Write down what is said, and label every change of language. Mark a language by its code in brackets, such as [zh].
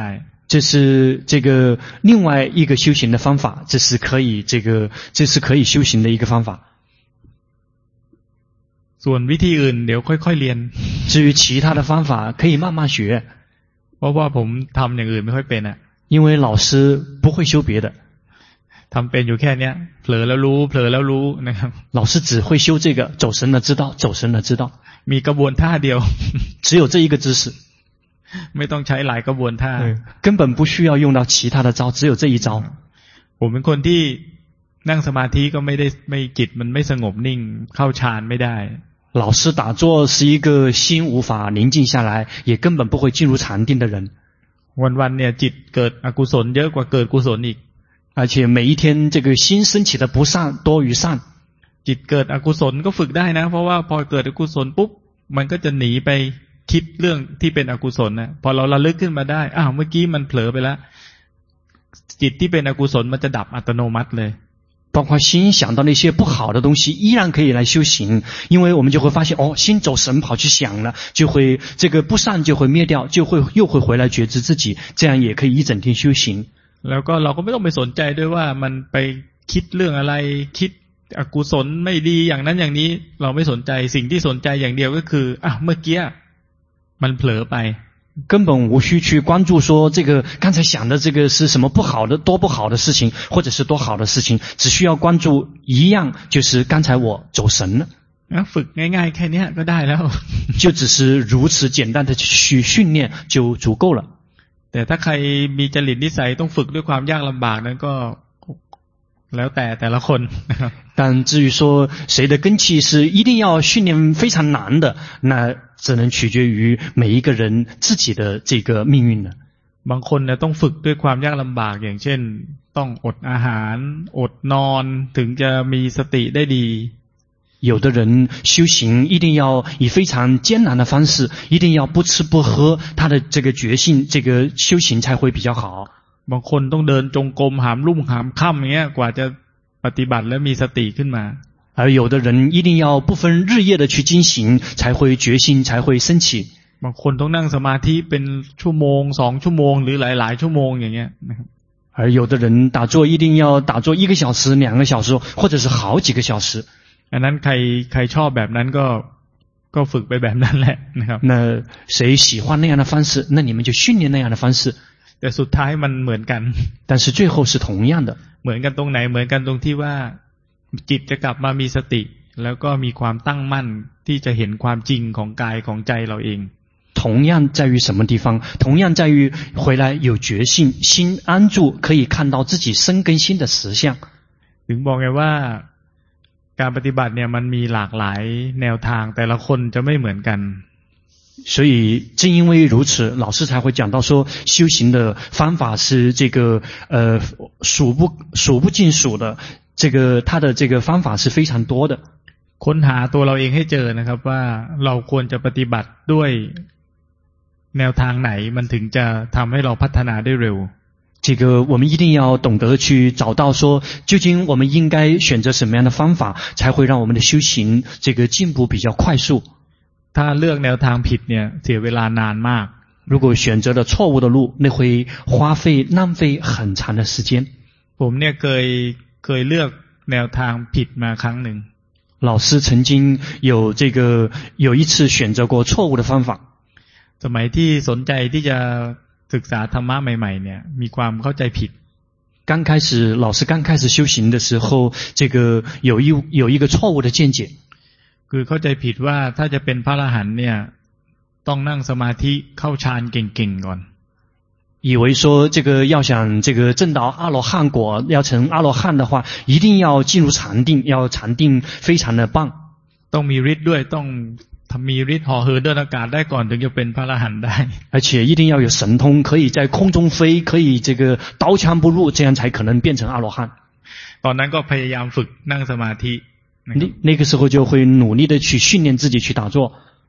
[zh] 这是这个另外一个修行的方法这是可以这个这是可以修行的一个方法 [th] ส่วนวิธีอื่นเดี๋ยวค่อยๆเรียน [zh] 至于其他的方法可以慢慢学 [th] เพราะว่าผมทำอย่างอื่นไม่ค่อยเป็นอ่ะ [zh] 因为老师不会修别的 [th] ทำเป็นอยู่แค่นี้เผลอแล้วรู้เผลอแล้วรู้นะครับ [zh] 老师只会修这个走神了知道走神了知道 [th] มีกระบวนท่าเดียว [zh] 只有这一个姿势 [th] ไม่ต้องใช้หลายกระบวนท่า [zh] 根本不需要用到其他的招只有这一招 [th] ผมเป็นคนที่นั่งสมาธิก็ไม่ได้ไม่จิตมันไม่สงบนิ่งเข้าฌานไม่ได้ [zh] 老师打坐是一个心无法宁静下来也根本不会进入禅定的人 [th] วันๆเนี่ยจิตเกิดอกุศลเยอะกว่าเกิดกุศลอีก [zh] 而且每一天这个心升起的不善多于善 [th] จิตเกิดอกุศลก็ฝึกได้นะเพราะว่าพอเกิดอกุศลปุ๊บมันก็จะหนีไปคิดเรื่องที่เป็นอกุศลนะพอเราระลึกขึ้นมาได้อ้าวเมื่อกี้มันเผลอไปแล้วจิตที่เป็นอกุศลมันจะดับอัตโนมัติเลย [zh] 包括心想到那些不好的东西依然可以来修行因为我们就会发现哦心走神跑去想了就会这个不善就会灭掉就会又会回来觉知自己这样也可以一整天修行 [th] แล้วก็เราก็ไม่ต้องไปสนใจด้วยว่ามันไปคิดเรื่องอะไรคิดอกุศลไม่ดีอย่างนั้นอย่างนี้เราไม่สนใจสิ่งที่สนใจอย่างเดียวก็คืออ้าวเมื่อกี้มันเผลอไป [zh] 根本无需去关注说这个刚才想的这个是什么不好的多不好的事情或者是多好的事情只需要关注一样就是刚才我走神了 [th] ฝึกง่ายๆแค่นี้ก็ได้แล้ว [zh] 就只是如此简单的去训练就足够了 [th] แต่ถ้าใครมีจริตนิสัยต้องฝึกด้วยความยากลำบากนั้นก็แล้วแต่แต่ละคน [zh] 但至于说谁的根器是一定要训练非常难的那只能取决于每一个人自己的这个命运了 [th] บางคนเนี่ยต้องฝึกด้วยความยากลำบากอย่างเช่นต้องอดอาหารอดนอนถึงจะมีสติได้ดี [zh] 有的人修行一定要以非常艰难的方式一定要不吃不喝他的这个决心这个修行才会比较好 [th] บางคนต้องเดินจงกรมหามรุ่งหามค่ำเนี่ยกว่าจะปฏิบัติและมีสติขึ้นมา [zh] 而有的人一定要不分日夜的去进行才会决心才会升起 [th] บางคนต้องนั่งสมาธิเป็นชั่วโมงสองชั่วโมงหรือหลายหลายชั่วโมงอย่างเงี้ยนะครับ [zh] 而有的人打坐一定要打坐一个小时两个小时或者是好几个小时 [th] อันนั้นใครชอบแบบนั้นก็ฝึกไปแบบนั้นแหละนะครับ [zh] 那谁喜欢那样的方式那你们就训练那样的方式 [th] แต่สุดท้ายมันเหมือนกัน [zh] 但是最后是同样的 [th] เหมือนกันตรงไหนเหมือนกันตรงที่ว่าจิตจะกลับมามีสติแล้วก็มีความตั้งมั่นที่จะเห็นความจริงของกายของใจเราเอง [zh] 同样在于什么地方？同样在于回来有决心，心安住，可以看到自己生根心的实相。 [th] ถึงบอกไงว่าการปฏิบัติเนี่ยมันมีหลากหลายแนวทางแต่ละคนจะไม่เหมือนกัน [zh] 所以正因为如此，老师才会讲到说，修行的方法是这个数不尽数的，这个他的这个方法是非常多的。 [th] ค้นหาตัวเราเองให้เจอนะครับว่าเราควรจะปฏิบัติด้วยแนวทางไหนมันถึงจะทำให้เราพัฒนาได้เร็ว [zh] 这个我们一定要懂得去找到说究竟我们应该选择什么样的方法才会让我们的修行这个进步比较快速 [th] ถ้าเลือกแนวทางผิดเนี่ยเสียเวลานานมาก [zh] 如果选择了错误的路那会花费浪费很长的时间 [th] ผมเนี่ยเคยเลือกแนวทางผิดมาครั้งหนึ่ง [zh] 老师曾经有一次选择过错误的方法 [th] สมัยที่สนใจที่จะศึกษาธรรมะใหม่ๆเนี่ยมีความเข้าใจผิด [zh] 刚开始老师刚开始修行的时候这个有一个错误的见解 [th] คือเข้าใจผิดว่าถ้าจะเป็นพระอรหันต์เนี่ยต้องนั่งสมาธิเข้าฌานเก่งๆก่อน [zh] 以为说这个要想这个证到阿罗汉果要成阿罗汉的话一定要进入禅定要禅定非常的棒 [th] ต้องมีฤทธิ์ด้วยต้องมีฤทธิ์ห่อเหินเดินอากาศได้ก่อนถึงจะเป็นพระอรหันต์ได้ [zh] 而且一定要有神通可以在空中飞可以这个刀枪不入这样才可能变成阿罗汉 [th] ตอนนั้นก็พยายามฝึกนั่งสมาธิ [zh] 那个时候就会努力的去训练自己去打坐